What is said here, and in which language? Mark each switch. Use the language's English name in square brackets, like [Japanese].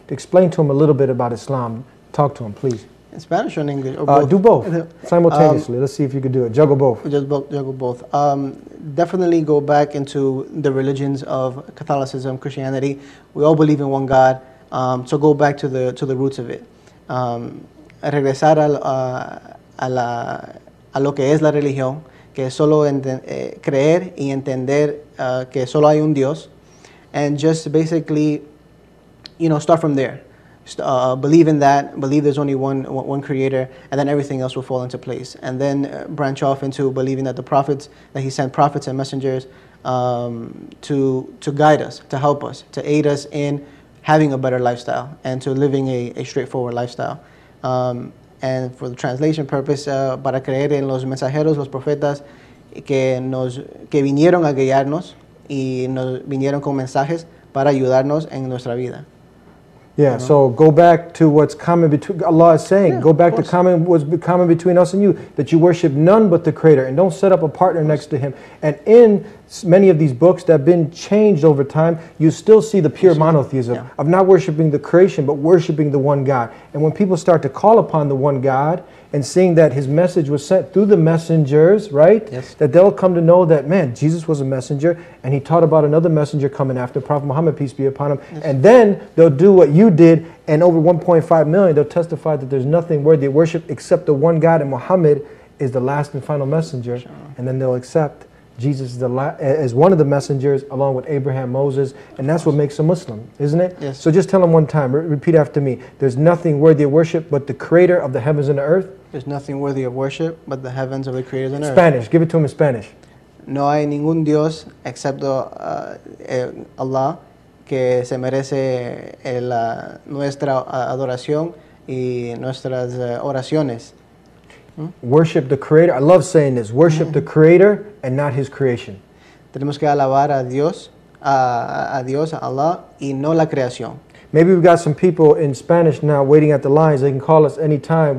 [English] Explain to them a little bit about Islam. Talk to them, please. In Spanish or in English? Or both? Do both, simultaneously. Let's see if you could do it. Juggle both. Juggle both. Definitely go back into the religions of Catholicism, Christianity. We all believe in one God. So go back to the roots of it. [Spanish] Regresar a lo que es la religión, que es solo creer y entender que solo hay un Dios. [English] And just basically, you know, start from there. Believe in that, believe there's only one creator, and then everything else will fall into place. And then branch off into believing that the prophets, that he sent prophets and messengers to guide us, to help us, to aid us in having a better lifestyle and to living a straightforward lifestyle. And for the translation purpose, [Spanish] para creer en los mensajeros, los profetas, que vinieron a guiarnos y nos vinieron con mensajes para ayudarnos en nuestra vida. [English] Yeah, you know? So go back to what's common between, Allah is saying, yeah, go back to common, what's common between us and you, that you worship none but the Creator, and don't set up a partner next to Him. And in many of these books that have been changed over time, you still see the pure monotheism of not worshiping the creation, but worshiping the one God. And when people start to call upon the one God, and seeing that His message was sent through the messengers, right? Yes. That they'll come to know that, man, Jesus was a messenger, and He taught about another messenger coming after Prophet Muhammad, peace be upon him. Yes. And then they'll do what you did, and over 1.5 million, they'll testify that there's nothing worthy of worship except the one God, and Muhammad is the last and final messenger. Sure. And then they'll accept Jesus is the as one of the messengers, along with Abraham, Moses, and that's what makes a Muslim, isn't it? Yes. So just tell them one time, repeat after me. There's nothing worthy of worship but the Creator of the heavens and the earth. There's nothing worthy of worship but the heavens of the Creator and the earth. Spanish, give it to him in Spanish. [Spanish] No hay ningún Dios excepto Allah que se merece nuestra adoración y nuestras oraciones. [English] Worship the Creator. I love saying this. Worship the Creator and not His creation. [Spanish] Tenemos que alabar a Dios, a Dios, a Allah, y no la creación. [English] Maybe we've got some people in Spanish now waiting at the lines. They can call us anytime.